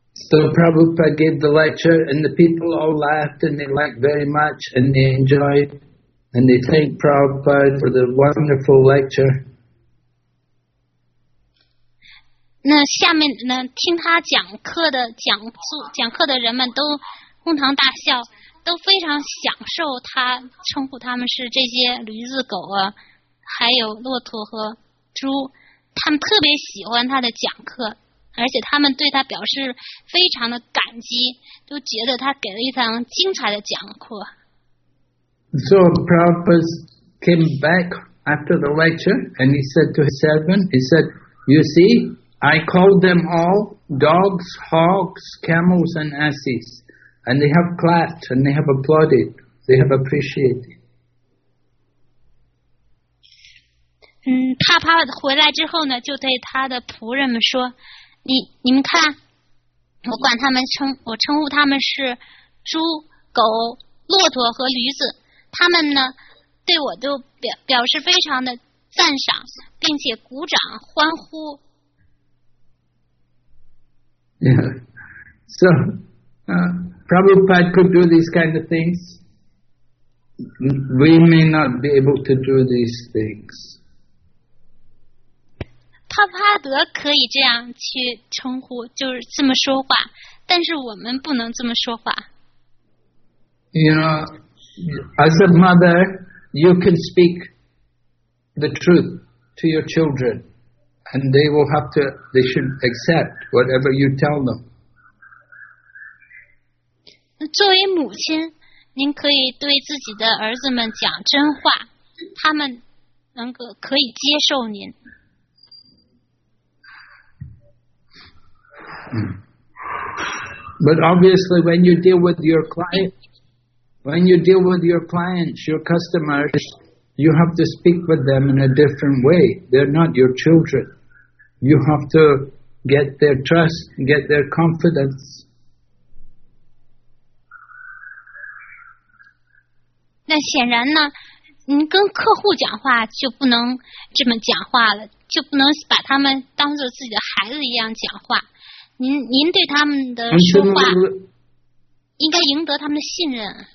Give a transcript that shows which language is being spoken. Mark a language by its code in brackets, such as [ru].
[en] So Prabhupada gave the lecture, and the people all laughed, and they liked very much, and they enjoyed, and they thanked Prabhupada for the wonderful lecture. [zh] 那下面呢，听他讲课的讲课的人们都哄堂大笑，都非常享受他称呼他们是这些驴子、狗啊，还有骆驼和猪，他们特别喜欢他的讲课。而且他们对他表示非常的感激，都觉得他给了一场精彩的讲课。 [en] So Prabhupada came back after the lecture and he said to his servant, he said, you see, I called them all dogs, hogs, camels and asses, and they have clapped and they have applauded, they have appreciated. [zh] 帕回来之后呢，就对他的仆人们说，你们看，我称呼他们是猪、狗、骆驼和驴子，他们呢对我都表示非常的赞赏，并且鼓掌欢呼。 [en] Yeah. So, Prabhupada could do these kind of things. We may not be able to do these things. [zh] 帕帕德可以这样去称呼，就是这么说话，但是我们不能这么说话。 [en] You know, as a mother, you can speak the truth to your children. And they will have to, they should accept whatever you tell them. [zh] 作为母亲，您可以对自己的儿子们讲真话，他们能够可以接受您。 [en] But obviously when you deal with your client, when you deal with your clients, your customers, you have to speak with them in a different way. They're not your children. You have to get their trust, get their confidence. [zh] 那显然呢，您跟客户讲话就不能这么讲话了，就不能把他们当做自己的孩子一样讲话。您对他们的说话，应该赢得他们的信任。